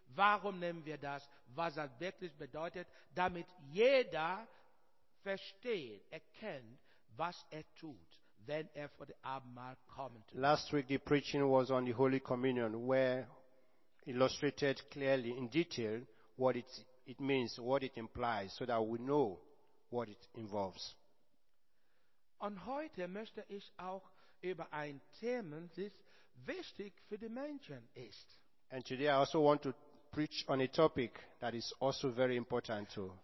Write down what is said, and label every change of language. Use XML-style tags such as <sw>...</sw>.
<de>Warum nehmen wir das, was das wirklich bedeutet, damit jeder versteht, erkennt, was tut, wenn vor dem Abendmahl kommt.</de> <en>Last week the preaching was on the Holy Communion, where illustrated clearly in detail what it means, what it implies, so that we know what it involves.</en> <de>Und heute möchte ich auch über ein Thema, das wichtig für die Menschen ist.</de> <en>And today I also want to preach on a topic that is also very important to</en>